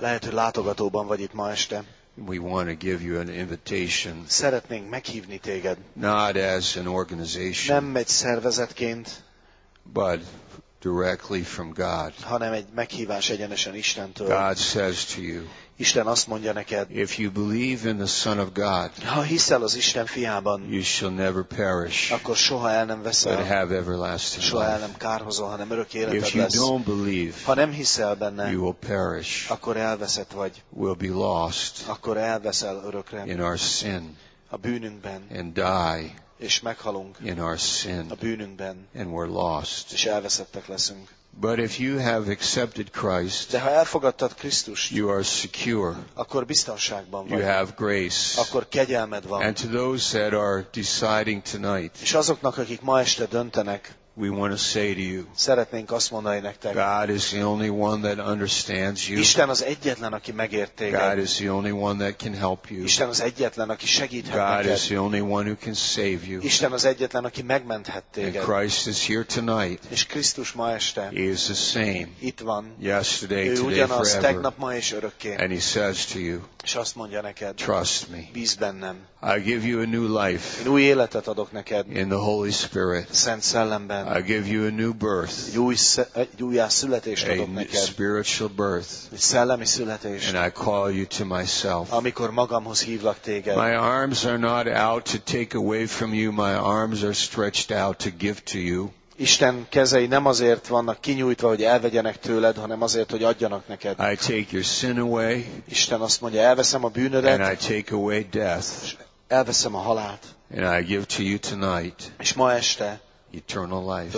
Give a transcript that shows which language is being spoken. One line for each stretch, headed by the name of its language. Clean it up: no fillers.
Hungarian: Lehet, hogy látogatóban vagy itt ma este.
English: We want to give you an invitation.
Hungarian: Szeretnénk meghívni téged.
English: Not as an organization.
Hungarian: Nem egy szervezetként.
English: But directly from God.
Hungarian: Hanem egy meghívás egyenesen Istentől.
English: God says to you.
Hungarian: Isten azt mondja neked.
English: If you believe in the Son of God.
Hungarian: Ha hiszel az Isten fiában.
English: You shall never perish.
Hungarian: Akkor soha el nem veszel.
English: But have everlasting life.
Hungarian: Soha el nem kárhozol, hanem örök életed lesz.
English: If you don't believe.
Hungarian: Ha nem hiszel benne.
English: You will perish.
Hungarian: Akkor elveszett vagy.
English: Will be lost.
Hungarian: Akkor elveszel örökre.
English: In our sin.
Hungarian: A bűnünkben.
English: And die.
Hungarian: És meghalunk
English: in our sin,
Hungarian: a bűnünkben,
English: and we're lost.
Hungarian: És elveszettek leszünk.
English: But if you have accepted Christ,
Hungarian: de ha elfogadtad Krisztust,
English: you are secure.
Hungarian: Akkor biztonságban vagy.
English: You have grace.
Hungarian: Akkor kegyelmed van.
English: And to those that are deciding tonight,
Hungarian: és azoknak, akik ma este döntenek,
English: we want to say to you,
Hungarian: szeretnénk azt mondani nektek,
English: God is the only one that understands you.
Hungarian: Isten az egyetlen, aki megért téged.
English: God is the only one that can help you.
Hungarian: Isten az egyetlen, aki segíthet
English: God
Hungarian: neked.
English: Is the only one who can save you.
Hungarian: Isten az egyetlen, aki megmenthet téged.
English: And Christ is here tonight.
Hungarian: És Krisztus ma este.
English: He is the same.
Hungarian: Itt van.
English: Yesterday,
Hungarian: ő
English: today,
Hungarian: ugyanaz,
English: forever.
Hungarian: Tegnap, ma és örökké.
English: And he says to you,
Hungarian: és azt mondja neked,
English: trust me.
Hungarian: Bíz bennem.
English: I give you a new life.
Hungarian: Én új életet adok neked.
English: In the Holy Spirit.
Hungarian: Szent Szellemben.
English: I give you a new birth.
Hungarian: Egy újjászületést adok neked.
English: A spiritual birth.
Hungarian: Egy szellemi születést.
English: And I call you to myself.
Hungarian: Amikor magamhoz hívlak téged.
English: My arms are not out to take away from you. My arms are stretched out to give to you.
Hungarian: Isten kezei nem azért vannak kinyújtva, hogy elvegyenek tőled, hanem azért, hogy adjanak neked.
English: I take your sin away.
Hungarian: Isten azt mondja, elveszem a bűnödet.
English: And I take away death.
Hungarian: Elveszem a halált.
English: And I give to you tonight.
Hungarian: És ma este.
English: Eternal life.